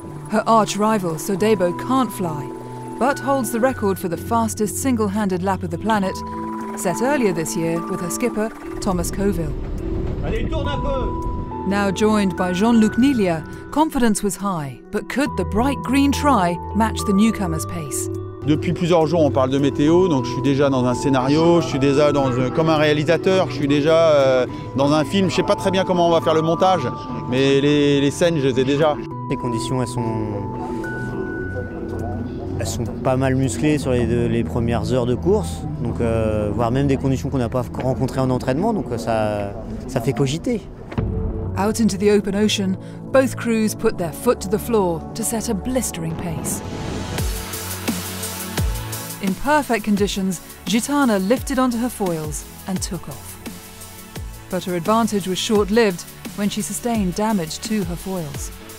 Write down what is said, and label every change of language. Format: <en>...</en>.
<en>Her arch-rival, Sodebo, can't fly, but holds the record for the fastest single-handed lap of the planet, set earlier this year with her skipper, Thomas Coville.</en> <fr>Allez, tourne un peu!</fr> <en>Now joined by Jean-Luc Nilia, confidence was high, but could the bright green try match the newcomer's pace?</en> <fr>Depuis plusieurs jours, on parle de météo, donc je suis déjà dans un scénario, je suis déjà dans comme un réalisateur, je suis déjà dans un film. Je ne sais pas très bien comment on va faire le montage, mais les scènes, je les ai déjà. Les conditions, elles sont pas mal musclées sur les premières heures de course, donc, voire même des conditions qu'on n'a pas rencontrées en entraînement, donc ça fait cogiter.</fr> <en>Out into the open ocean, both crews put their foot to the floor to set a blistering pace. In perfect conditions, Gitana lifted onto her foils and took off. But her advantage was short-lived when she sustained damage to her foils.</en>